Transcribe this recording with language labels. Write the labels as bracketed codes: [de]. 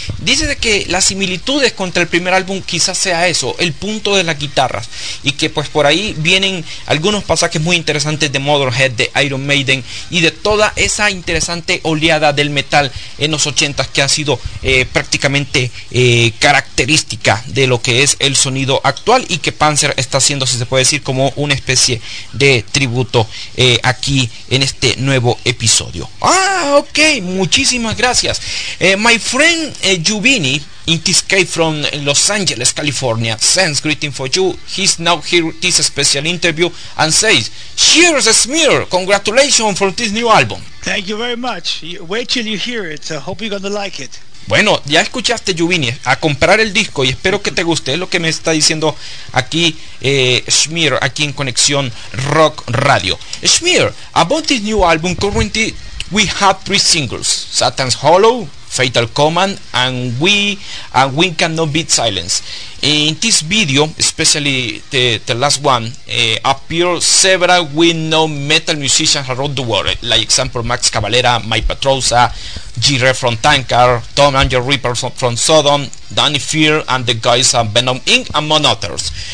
[es] Dice de que las similitudes contra el primer álbum quizás sea eso, el punto de las guitarras, y que pues por ahí vienen algunos pasajes muy interesantes de Motorhead, de Iron Maiden y de toda esa interesante oleada del metal en los 80s que ha sido prácticamente característica de lo que es el sonido actual, y que Panzer está haciendo, si se puede decir, como una especie de tributo aquí en este nuevo episodio. Ah, ok, muchísimas gracias. [en] My friend Jubini, in this case from Los Angeles, California, sends greeting for you. He's now here with this special interview and says, "Cheers, Smear, congratulations for this new album." Thank you very much. Wait till you hear it. I hope you're going to like it. [es] Bueno, ya escuchaste, Jubini, a comprar el disco, y espero que te guste. Es lo que me está diciendo aquí Smear, aquí en Conexión Rock Radio. [en] Smear, about this new album, currently we have three singles, Satan's Hollow, Fatal Command, and we cannot beat silence. In this video, especially the last one, appear several well-known metal musicians around the world, like example Max Cavalera, Mike Petrosa, Jire from Tankard, Tom Angel Reaper from Sodom, Danny Fear, and the guys from Venom Inc., among others.